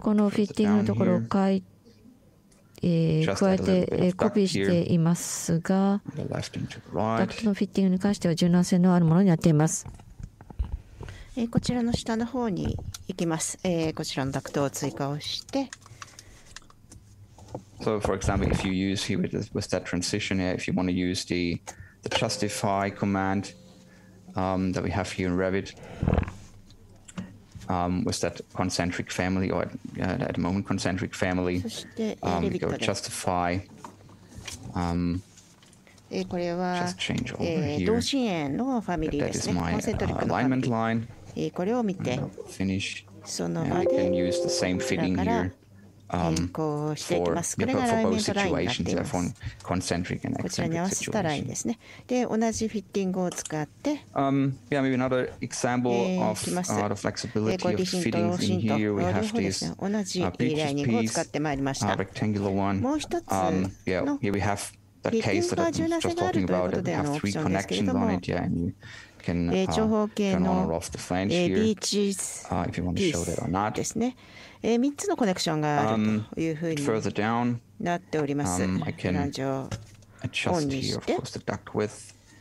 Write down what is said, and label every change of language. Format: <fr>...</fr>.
<ja>fittings,加えてコピーしていますが、ダクトのフィッティングに関しては柔軟性のあるものになっています。こちらの下の方に行きます。こちらのダクトを追加をして、</ja> <en>So for example, if you use here with that transition, if you want to use the justify command that we have here in Revit with that concentric family, or at the moment concentric family, go justify. Just change over here. That is my alignment line. Finish. And we can use the same fitting here for both situations, for concentric and eccentric situations. Maybe another example of the flexibility of fittings in here, we have this beaches piece, rectangular one. Here we have that case that I was just talking about, that we have three connections on it, and you can turn on or off the flange here, if you want to show that or not.</en> <ja>3つのコネクションがあるというふうになっております。</ja> <en>I can adjust here, of course, the duct width.</en>